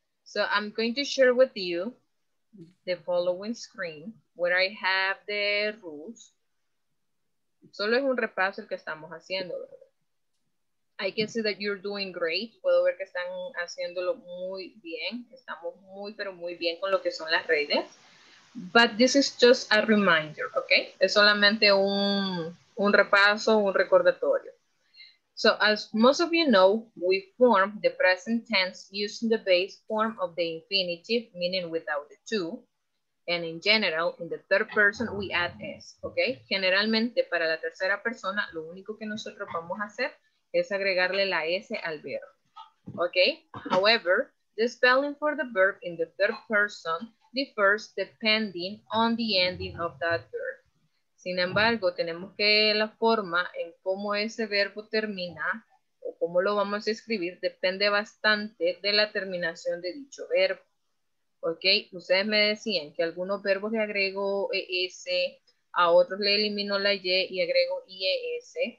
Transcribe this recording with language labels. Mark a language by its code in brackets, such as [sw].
[en] So I'm going to share with you the following screen where I have the rules. [es] Solo es un repaso el que estamos haciendo. I can see that you're doing great. Puedo ver que están haciéndolo muy bien. Estamos muy, pero muy bien con lo que son las redes. [en] But this is just a reminder, okay? Es solamente un repaso, un recordatorio. So as most of you know, we form the present tense using the base form of the infinitive, meaning without the to. And in general, in the third person, we add S, okay? [es] Generalmente, para la tercera persona, lo único que nosotros vamos a hacer es agregarle la S al verbo, okay? [en] However, the spelling for the verb in the third person differs depending on the ending of that verb. [es] Sin embargo, tenemos que la forma en cómo ese verbo termina o cómo lo vamos a escribir depende bastante de la terminación de dicho verbo. ¿Ok? Ustedes me decían que a algunos verbos le agrego ES, a otros le elimino la Y y agrego IES.